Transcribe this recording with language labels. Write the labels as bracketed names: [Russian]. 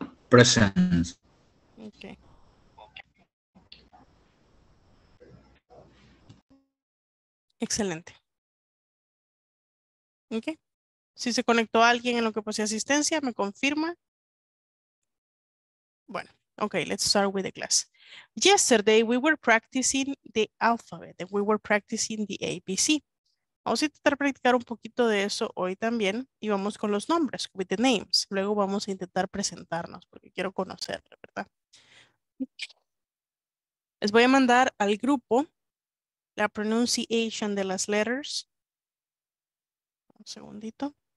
[English] Present. Okay. [Spanish] Excelente. Ok. Si se conectó alguien en lo que puse asistencia, me confirma. [English] Bueno, ok, let's start with the class. Yesterday we were practicing the alphabet and we were practicing the ABC. [Spanish] Vamos a intentar practicar un poquito de eso hoy también y vamos con los nombres, [English] with the names. [Spanish] Luego vamos a intentar presentarnos porque quiero conocerle, ¿verdad? Les voy a mandar al grupo la pronunciation de las letters. Un segundito.